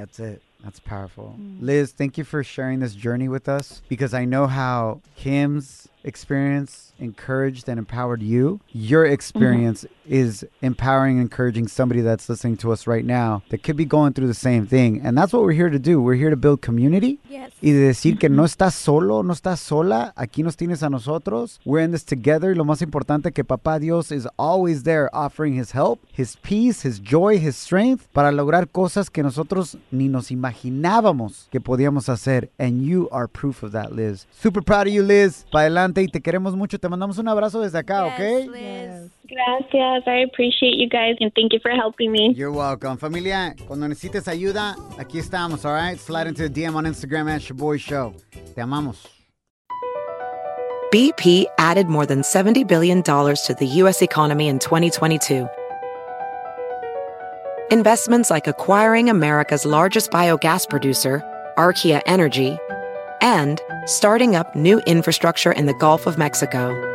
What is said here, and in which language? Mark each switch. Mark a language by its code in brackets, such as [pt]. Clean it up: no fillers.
[en] That's it. That's powerful. Mm. Liz, thank you for sharing this journey with us, because I know how Kim's experience encouraged and empowered you. Your experience mm-hmm. is empowering and encouraging somebody that's listening to us right now that could be going through the same thing. And that's what we're here to do. We're here to build community. Yes. [es] Y de decir mm-hmm. que no estás solo, no estás sola. Aquí nos tienes a nosotros. [en] We're in this together. [es] Y lo más importante que Papá Dios [en] is always there offering his help, his peace, his joy, his strength [es] para lograr cosas que nosotros ni nos imaginábamos que podíamos hacer. [en] And you are proof of that, Liz. Super proud of you, Liz. Bye. [es] Adelante y te queremos mucho. Te mandamos un abrazo desde acá, [en] yes, ¿ok? Liz. Yes. [es] Gracias. [en] I appreciate you guys and thank you for helping me. You're welcome. [es] Familia, cuando necesites ayuda, aquí estamos, [en] all right? Slide into the DM on Instagram at @shaboyshow. [es] Te amamos. [en] BP added more than $70 billion to the U.S. economy in 2022. Investments like acquiring America's largest biogas producer, Archaea Energy, and starting up new infrastructure in the Gulf of Mexico.